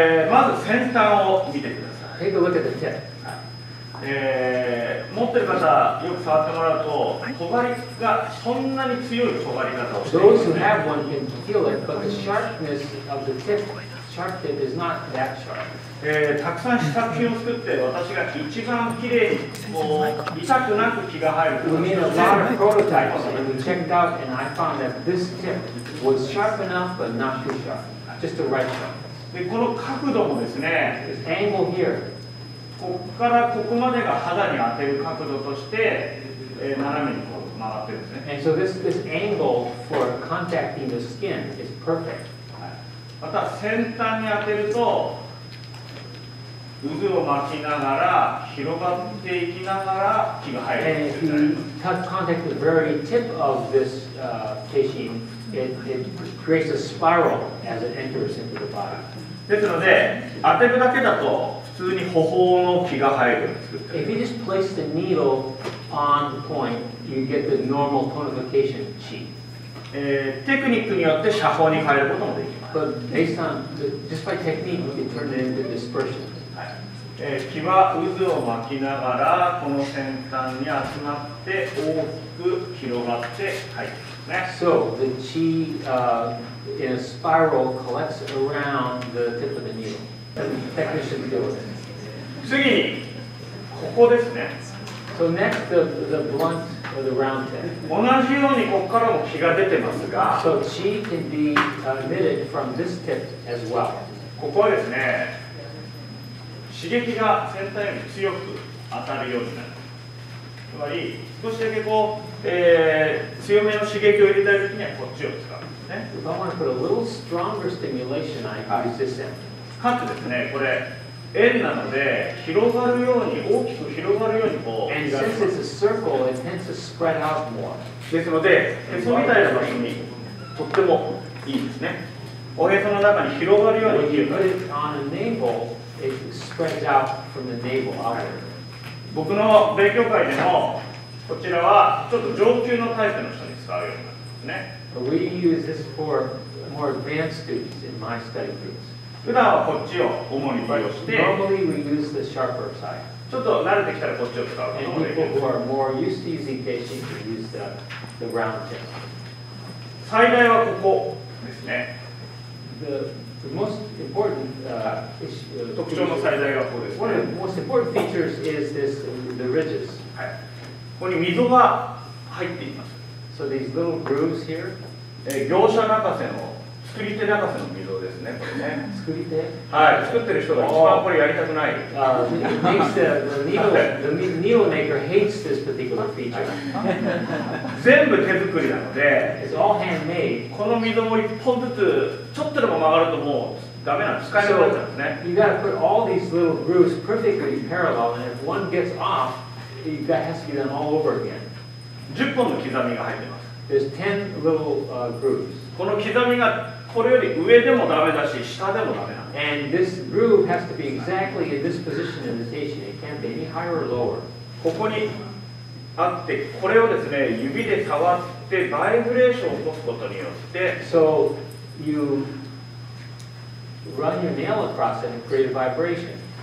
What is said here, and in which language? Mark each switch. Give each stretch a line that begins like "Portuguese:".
Japanese: まず先端を見てください。
English: Take a look at the tip.
Japanese: 持ってる方、よく触ってもらうと、尖りがそんなに強い尖り方をしている
English: Those who have one can feel it, but the sharpness of the tip, sharp tip is not that sharp.
Japanese: たくさん試作品を作って私が一番きれいにもう痛くなく気が入る。
English: We made a lot of prototypes and we checked out and I found that this tip was sharp enough but not too sharp, just the right sharp.
Japanese: でこの角度もですね、
English: this angle here,
Japanese: ここからここまでが肌に当てる角度として、斜めにこう曲がってるんですね。
English: And so this angle for contacting the skin is perfect.
Japanese: また先端に当てると。渦を巻きながら広がっていきながら気が入るんですよね。
English: And if you touch contact the very tip of this teishin, it creates a spiral as it enters into the body.
Japanese: ですので当てるだけだと普通に頬の気が入る。
English: If you just place the needle on the point, you get the normal tonification chi.
Japanese: テクニックによって写法に変えることもできます。
English: But based on just by technique, you can turn it into dispersion.
Japanese: 気は渦を巻きながらこの先端に集まって大きく広がって入ってますね。
English: So the chi in a spiral collects around the tip of the needle. Technician deal with it.
Japanese: 次にここですね。
English: So next the blunt or the round tip.
Japanese: 同じようにここからも気が出てますが。
English: So chi can be emitted from this tip as well.
Japanese: ここはですね。刺激が先端より強く当たるようになる。つまり少しだけこう、強めの刺激を入れたいときにはこっちを使うんですね。
English: If I want to put a little stronger stimulation, I use this end.
Japanese: かつですね、これ円なので広がるように大きく広がるようにこう。
English: And since it's a circle, it tends to spread out more.
Japanese: ですので、へそみたいな場所にとってもいいですね。おへその中に広がるように切る。
English: When you put it on a navel,It spreads out from the navel outward.
Japanese: 僕の勉強会でもこちらはちょっと上級のタイプの人に使うようになって
English: We use this for more advanced students in my study groups.
Japanese: 普段はこっちを主に利用して、
English: Normally we use the sharper side.
Japanese: ちょっと慣れてきたらこっちを使うこともでき
English: る。And people who are more used to using teishin can use the round tip.
Japanese: 最大はここですね。
English: The most important one of the most important features is this the ridges.
Japanese: ここに溝が入っています。
English: So these little grooves here.
Japanese: 業者泣かせの作り手泣かせの溝ですね。これね。作り手。はい。作ってる人が一番これやりたくない。
English: makes the needle maker hates this particular feature.
Japanese: 全部手作りなので。
English: It's all handmade.
Japanese: この溝も一本ずつちょっとでも曲がるともう。ダメなの、使えなくなっちゃうんですね。
English: You gotta put all these little grooves perfectly parallel, and if one gets off, that has to be done all over again.
Japanese: 10本の刻みが入ってます。
English: There's 10 little grooves.
Japanese: この刻みがこれより上でもダメだし、下でもダメなの。
English: And this groove has to be exactly in this position in the station. It can't be any higher or lower.
Japanese: ここにあって、これをですね、指で触ってバイブレーションを起こすことによって、
English: So you run your nail across it and create a vibration.